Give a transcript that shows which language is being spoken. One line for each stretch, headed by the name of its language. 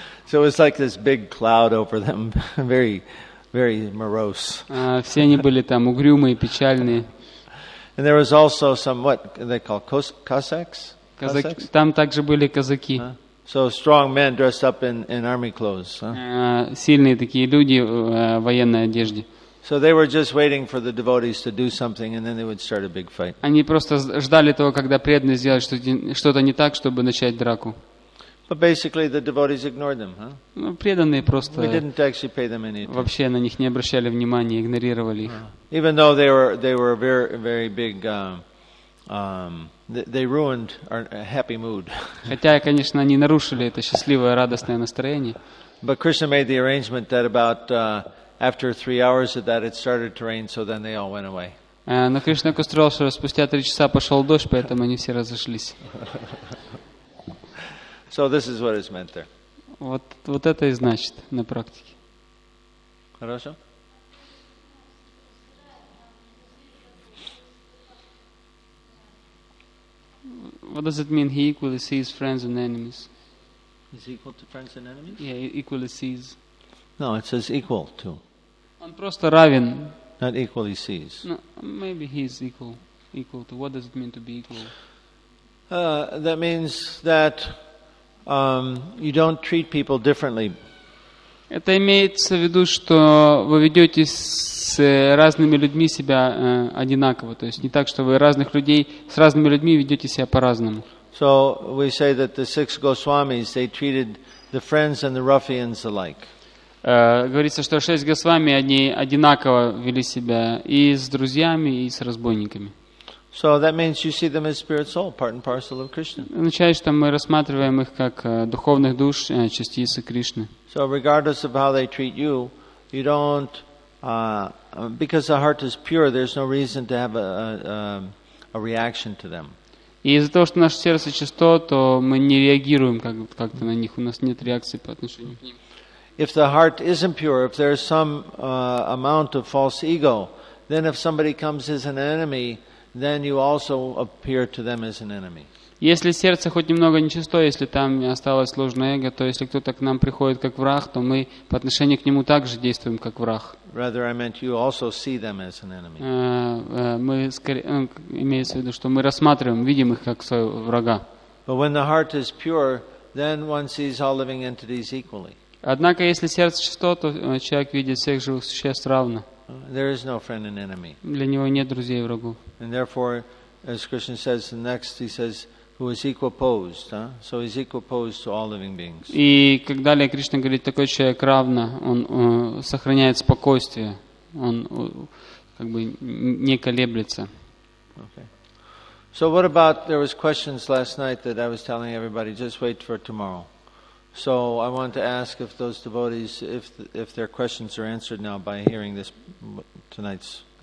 English: So it's like this big cloud over them, very, very morose.
Russian: Все они были там угрюмые, печальные.
English: And there was also some what they call Cossacks.
Russian: Казаки. Там также были казаки.
English: So strong men dressed up in army clothes.
Russian: Сильные такие люди в военной одежде.
English: So they were just waiting for the devotees to do something, and then they would start a big fight.
Russian: Они просто ждали того, когда преданные сделают что-то не так, чтобы начать драку.
English: But basically, the devotees ignored them.
Russian: Ну, преданные просто.
English: We didn't actually pay them any.
Russian: Вообще на них не обращали внимания, игнорировали их.
English: Even though they were very, very big, they ruined our happy mood.
Russian: Хотя, конечно, они нарушили это счастливое, радостное настроение.
English: But Krishna made the arrangement that about after 3 hours of that, it started to rain. So then they all went away.
Russian: Но Кришна устроил, что спустя 3 часа пошел дождь, поэтому они все разошлись.
English: So this is what is meant there.
Russian: Вот это и значит на практике. Хорошо?
English: What does it mean he equally sees friends and enemies? Is he equal to friends and enemies? Yeah, he equally sees. No, it says equal to.
Russian: Он просто равен.
English: Not equally sees. No, maybe he is equal to. What does it mean to be equal? That means that you don't treat people differently.
Russian: Это имеется в виду, что вы ведете с разными людьми себя одинаково, то есть не так, что вы разных людей с разными людьми ведете себя по-разному.
English: So we say that the six Goswamis they treated the friends and the ruffians alike.
Russian: Говорится, что шесть Госвами они одинаково вели себя и с друзьями, и с разбойниками.
English: So that means you see them as spirit soul, part and parcel of Krishna.
Russian: Означает, что мы рассматриваем их как духовных душ, частицы Кришны.
English: So regardless of how they treat you, you don't, because the heart is pure, there's no reason to have a reaction to them.
Russian: И из-за того, что наше сердце чисто, то мы не реагируем как-то на них, у нас нет реакции по отношению к ним.
English: If the heart isn't pure, if there's some amount of false ego, then if somebody comes as an enemy, then you also appear to them as an enemy.
Russian: Если сердце хоть немного нечисто, если там осталось ложное эго, то если кто-то к нам приходит как враг, то мы по отношению к нему также действуем как враг.
English: Rather, I meant you also see them as an enemy.
Russian: Мы скорее, имеется в виду, что мы рассматриваем, видим их как своего врага.
English: But when the heart is pure, then one sees all living entities equally.
Russian: Однако, если сердце чисто, то человек видит всех живых существ равно.
English: There is no friend and enemy.
Russian: Для него нет друзей и врагов.
English: And therefore, as Krishna says, the next he says, who is equipoised, huh? So he's equipoised to all living beings.
Russian: И как далее Кришна говорит, такой человек равно, он сохраняет спокойствие, он как бы не колеблется.
English: Okay. So what about, there was questions last night that I was telling everybody, just wait for tomorrow. So I want to ask if those devotees, if their questions are answered now by hearing this tonight's.